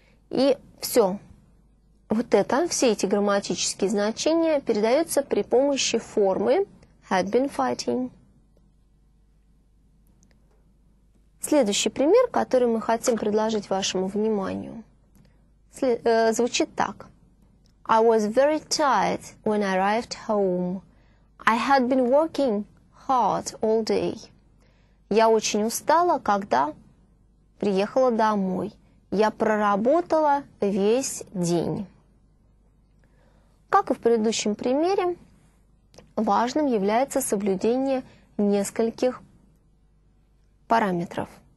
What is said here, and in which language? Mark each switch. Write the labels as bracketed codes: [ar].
[ru] И все. Вот это, все эти грамматические значения передаются при помощи формы had been fighting. Следующий пример, который мы хотим предложить вашему вниманию, звучит так. [en] I was very tired when I arrived home. I had been working hard all day. [ru] Я очень устала, когда приехала домой. Я проработала весь день. Как и в предыдущем примере, важным является соблюдение нескольких параметров.